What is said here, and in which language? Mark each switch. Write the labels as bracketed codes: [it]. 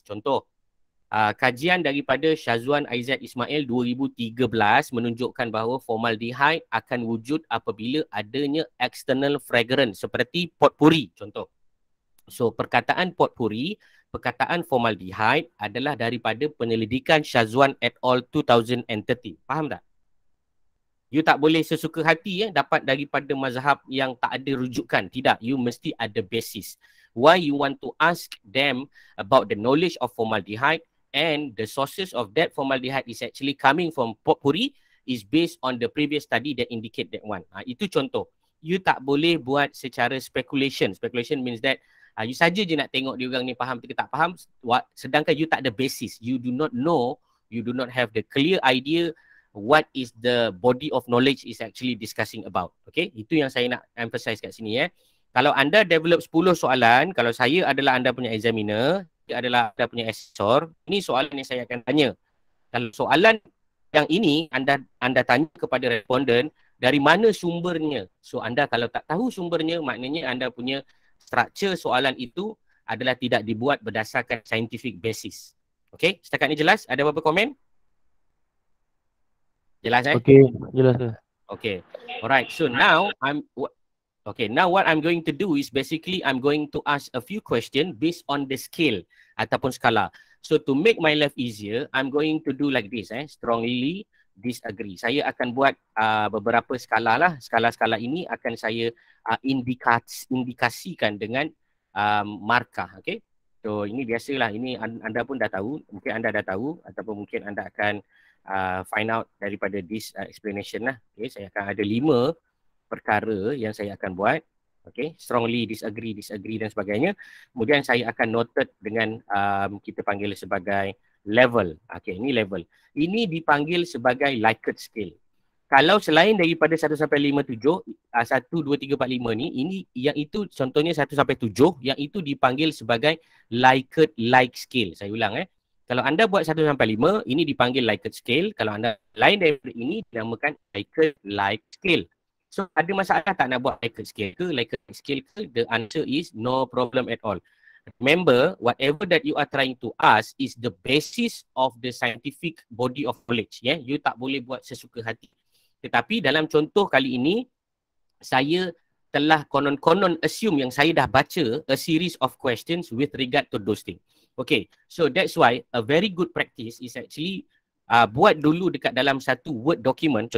[ms] Contoh, kajian daripada Syazwan Aizat Ismail 2013 menunjukkan bahawa formaldehyde akan wujud apabila adanya external fragrance seperti potpourri, contoh. So, perkataan potpourri, perkataan formaldehyde adalah daripada penyelidikan Syazwan et al. 2013. Faham tak? You tak boleh sesuka hati ya, dapat daripada mazhab yang tak ada rujukan. Tidak, you mesti ada basis. [en] Why you want to ask them about the knowledge of formaldehyde and the sources of that formaldehyde is actually coming from potpourri is based on the previous study that indicate that one. [ms] Ha, itu contoh. You tak boleh buat secara speculation. [en] Speculation means that [ms] you saja je nak tengok dia orang ni faham atau tak faham, sedangkan you tak ada basis. [en] You do not know, you do not have the clear idea what is the body of knowledge is actually discussing about. [ms] Okay, itu yang saya nak emphasize kat sini eh. Kalau anda develop 10 soalan, kalau saya adalah anda punya examiner, dia adalah anda punya assessor, ini soalan yang saya akan tanya. Kalau soalan yang ini anda tanya kepada respondent, dari mana sumbernya? So anda kalau tak tahu sumbernya, maknanya anda punya structure soalan itu adalah tidak dibuat berdasarkan scientific basis. Okay, setakat ni jelas? Ada apa-apa komen? Jelas eh? Okay, jelas. [en] Okay, alright. So now now what I'm going to do is basically I'm going to ask a few question based on the scale [ms] ataupun skala. [en] So to make my life easier, I'm going to do like this eh. Strongly disagree. [ms] Saya akan buat beberapa skala lah. Skala-skala ini akan saya indikasikan dengan markah. Okay. So ini biasalah. Ini anda pun dah tahu. Mungkin anda dah tahu ataupun mungkin anda akan [en] find out [ms] daripada [en] this explanation [ms] lah. Okay. Saya akan ada 5 perkara yang saya akan buat. Okay. Strongly disagree dan sebagainya. Kemudian saya akan noted dengan kita panggil sebagai level. Okay, ini level. Ini dipanggil sebagai Likert scale. Kalau selain daripada 1 sampai 5, 7, 1, 2, 3, 4, 5 ni, ini yang itu contohnya 1 sampai 7, yang itu dipanggil sebagai Likert-like scale. Saya ulang eh. Kalau anda buat 1 sampai 5, ini dipanggil Likert scale. Kalau anda lain daripada ini, dinamakan Likert-like scale. So, ada masalah tak nak buat Likert scale ke? Likert scale ke? [en] The answer is no problem at all. Remember, whatever that you are trying to ask is the basis of the scientific body of knowledge. Yeah? [ms] You tak boleh buat sesuka hati. Tetapi dalam contoh kali ini, saya telah konon-konon assume yang saya dah baca [en] a series of questions with regard to those things. Okay, so that's why a very good practice is actually [ms] buat dulu dekat dalam satu [en] word document.